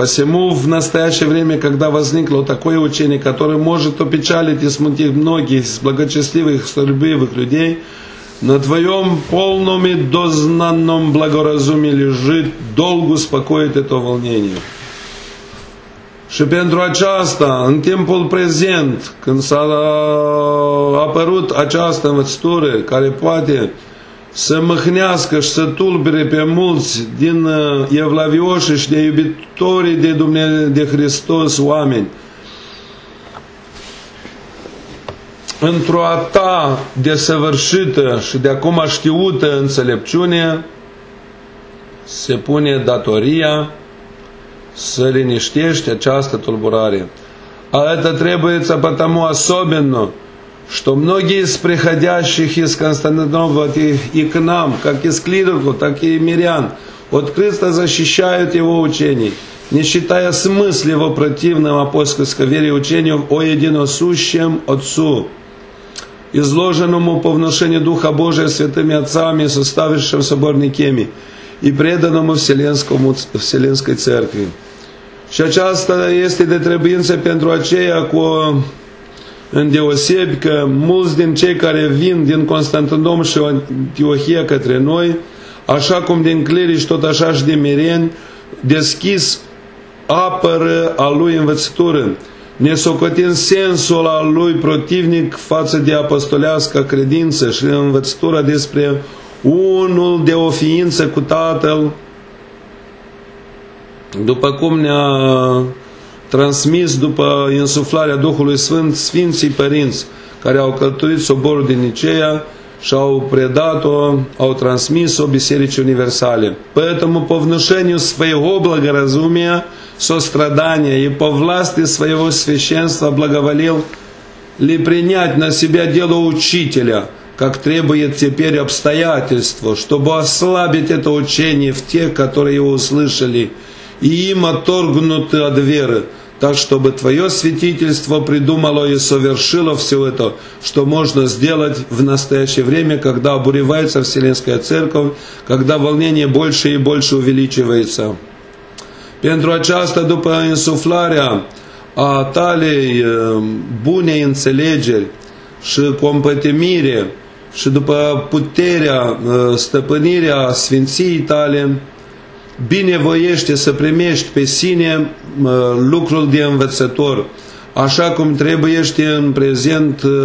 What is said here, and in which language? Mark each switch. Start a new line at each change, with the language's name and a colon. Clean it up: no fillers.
Russian: Посему в настоящее время, когда возникло такое учение, которое может опечалить и смутить многих из благочестивых и столюбивых людей, На твоем полном и дознанном благоразумии лежит долг успокоить это волнение.
Romanian: Și pentru aceasta, în timpul prezent, când s-a apărut această învățătură care poate să mâhnească și să tulbere pe mulți din evlavioși și de iubitorii de Dumnezeu, de Hristos, oameni, într-o a ta desăvârșită și de acum știută înțelepciune, se pune datoria să liniștești această tulburare.
Russian: Это требуется потому особенно, что многие из приходящих из Константинополя и к нам, как из клириков, так и мирян, открыто защищают его учение, не считая смысла его противном апостольской вере и учению о единосущем Отцу, изложенному по внушению Духа Божия святыми отцами, составившим собор Никеми, и преданному Вселенской Церкви.
Romanian: Și aceasta este de trebuință pentru aceia cu îndeosebi că mulți din cei care vin din Constantinopol și Antiohia către noi, așa cum din clerici, tot așa și din mireni, deschis apără a lui învățătură, nesocotind sensul a lui protivnic față de apostolească credință și învățătura despre unul de o ființă cu Tatăl, după cum ne-a transmis după insuflarea Duhului Sfânt Sfinții Părinți care au călătorit soborul din Niceea și au predat-o, au transmis-o Bisericii Universale.
Russian: Поэтому по внушению своего благоразумия, сострадания и по власти своего священства благоволил ли принять на себя дело учителя, как требует теперь обстоятельство, чтобы ослабить это учение в тех, которые его услышали, и им отторгнуты от веры, так чтобы Твое святительство придумало и совершило все это, что можно сделать в настоящее время, когда обуревается Вселенская Церковь, когда волнение больше и больше увеличивается.
Romanian: Pentru aceasta, după insuflarea a tale bune înțelegeri și compătimire și după puterea, stăpânirea Sfinției tale, binevoiește să primești pe sine lucrul de învățător, așa cum trebuiește în prezent